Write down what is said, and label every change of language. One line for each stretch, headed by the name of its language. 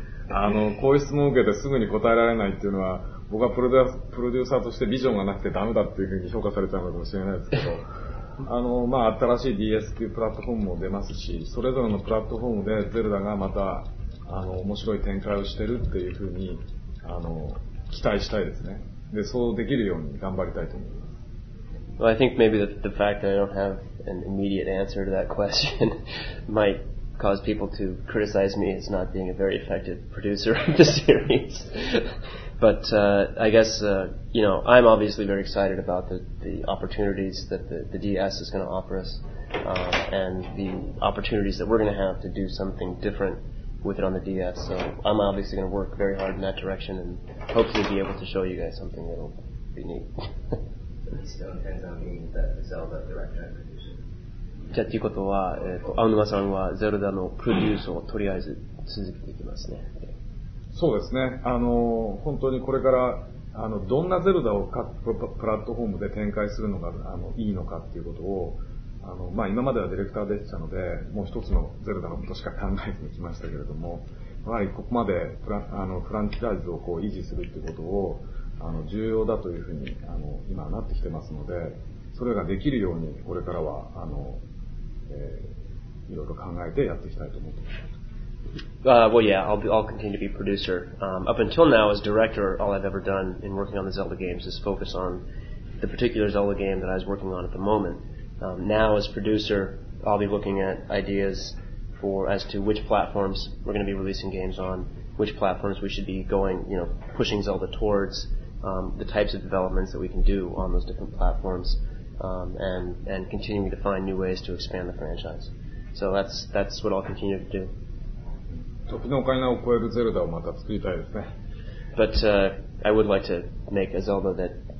Japanese: あのこういう質問を受けてすぐに答えられないっていうのは、僕はプロデューサーとしてビジョンがなくてダメだっていうふうに評価されちゃうのかもしれないですけど、あのまあ、新しい DS 級プラットフォームも出ますし、それぞれのプラットフォームでゼルダがまたあの面白い展開をしてるっていうふうにあの期待したいですね。で、そうできるように頑張りたいと思います。
English: Well, I think maybe the fact that I don't have an immediate answer to that question might cause people to criticize me as not being a very effective producer of the series. But I guess, you know, I'm obviously very excited about the opportunities that the DS is going to offer us, and the opportunities that we're going to have to do something different with it on the DS. So I'm obviously going to work very hard in that direction and hopefully be able to show you guys something that will be neat. It still depends on being the Zelda director and producer.
Japanese: じゃあということは、青沼さんはゼルダのプロデュースをとりあえず続けていきますね。そうですね。あの本当にこれからあのどんなゼルダを各プラットフォームで展開するのがあのいいのかっていうことを、あのまあ今まではディレクターでしたので、もう一つのゼルダのことしか考えずにきましたけれども、やはりここまでフランチャイズをこう維持するっていうことをあの重要だというふうにあの今はなってきてますので、それができるようにこれからはあの、いろいろ考えてやっていきたいと思っています。
English: I'll continue to be producer. Up until now, as director, all I've ever done in working on the Zelda games is focus on the particular Zelda game that I was working on at the moment. Now, as producer, I'll be looking at ideas for as to which platforms we're going to be releasing games on, which platforms we should be going, you know, pushing Zelda towards, the types of developments that we can do on those different platforms, and continuing to find new ways to expand the franchise. So that's what I'll continue to do.
Japanese: 時のオカリナを超えるゼルダをまた作りたいですね。
English: But I would like to make a Zelda that